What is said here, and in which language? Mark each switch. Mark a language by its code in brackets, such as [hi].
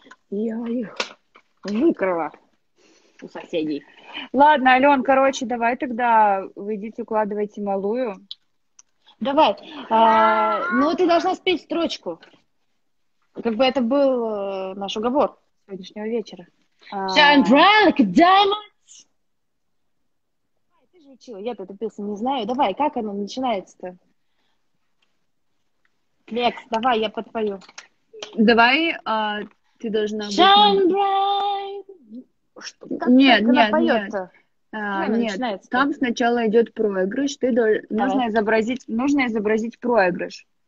[ru] Я их выкрала у соседей. Ладно, Ален, короче, давай тогда выйдите, укладывайте малую. Давай. Ну, ты должна спеть строчку. Как бы это был наш уговор сегодняшнего вечера. [en] Shine bright like a diamond. [ru] Я-то эту песню не знаю. Давай, как она начинается-то? Лекс, давай, я подпою. Давай, ты должна... [en] Shine bright! [ru] Нет, нет, нет. Там сначала идет проигрыш. Ты нужно изобразить проигрыш.